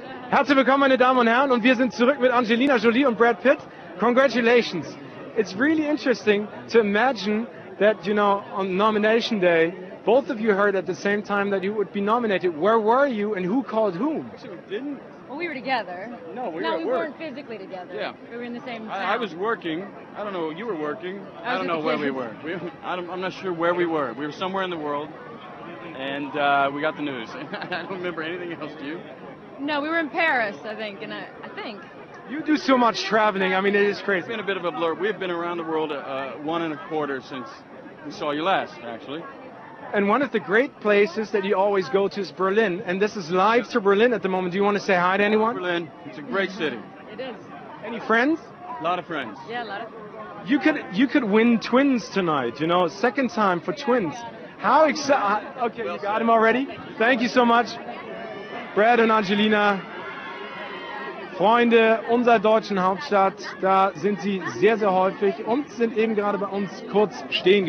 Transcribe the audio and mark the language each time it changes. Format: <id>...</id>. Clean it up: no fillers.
<de>Herzlich willkommen, meine Damen und Herren. Und wir sind zurück mit Angelina Jolie und Brad Pitt.</de> <en>Congratulations. It's really interesting to imagine that, you know, on nomination day, both of you heard at the same time that you would be nominated. Where were you and who called whom? Well, we were together. No, we were at work. No, we weren't physically together. Yeah. We were in the same town. I was working. I don't know. You were working. I don't know where we were. I'm not sure where we were. We were somewhere in the world. And we got the news. I don't remember anything else, do you? No, we were in Paris, I think, and I think. You do so much traveling. I mean, it is crazy. It's been a bit of a blur. We've been around the world 1 1/4 since we saw you last, actually. And one of the great places that you always go to is Berlin. And this is live to Berlin at the moment. Do you want to say hi to anyone? Berlin. It's a great city. It is. Any friends? A lot of friends. Yeah, a lot of friends. You could win twins tonight, you know, second time for twins. How exciting. Okay, you got him already? Thank you so much.</en> <de>Brad und Angelina, Freunde unserer deutschen Hauptstadt, da sind sie sehr, sehr häufig und sind eben gerade bei uns kurz stehen geblieben.</de>